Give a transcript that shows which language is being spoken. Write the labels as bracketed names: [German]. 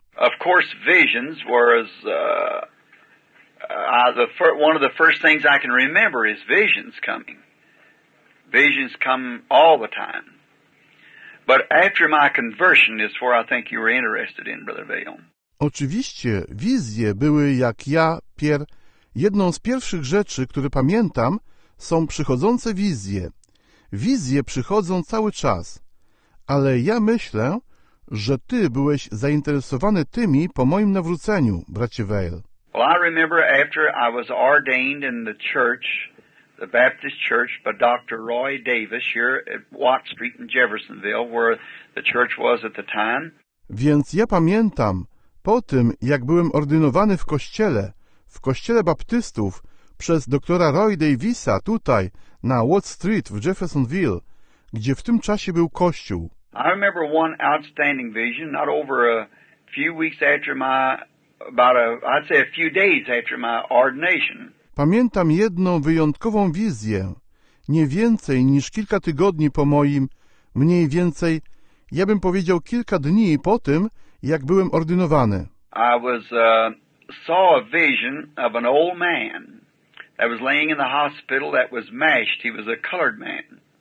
[English] Of course, visions were as one of the first things I can remember is visions coming. Visions come all the time. But after my conversion is where I think you were interested in, Brother Vail. [Polish] Oczywiście, wizje były jak ja, Pierre, jedną z pierwszych rzeczy, które pamiętam, są przychodzące wizje. Wizje przychodzą cały czas. Ale ja myślę, że ty byłeś zainteresowany tymi po moim nawróceniu, bracie Vail. [English] Well, I remember after I was ordained in the church, the Baptist church, by Dr. Roy Davis here at Watt Street in Jeffersonville, where the church was at the time. [Polish] Więc ja pamiętam, po tym, jak byłem ordynowany w kościele baptystów, przez doktora Roy Davisa tutaj, na Watt Street w Jeffersonville, gdzie w tym czasie był kościół. [English] I remember one outstanding vision, not over a few weeks after my, I'd say a few days after my ordination. [Polish] Pamiętam jedną wyjątkową wizję, nie więcej niż kilka tygodni po moim, mniej więcej, ja bym powiedział kilka dni po tym, jak byłem ordynowany. [English] I saw a vision of an old man that was laying in the hospital that was mashed. He was a colored man.